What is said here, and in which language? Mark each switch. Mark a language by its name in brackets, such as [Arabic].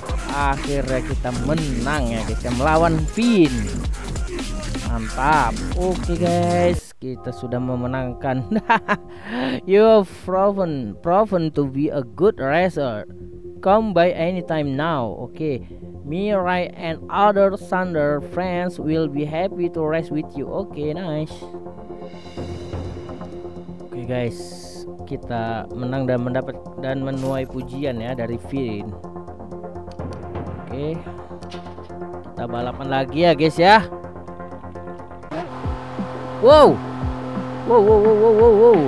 [Indonesian] Akhirnya kita menang ya guys ya, melawan pin. Mantap. Oke guys, kita sudah memenangkan. [English] You've proven to be a good racer. Come by anytime now. Oke. Me, Ray, and other Thunder friends will be happy to race with you. Oke, nice. [Indonesian] Oke guys, kita menang dan mendapat dan menuai pujian ya dari Finn. Oke. Kita balapan lagi ya guys ya. Wow. Wow wow wow wow wow wow.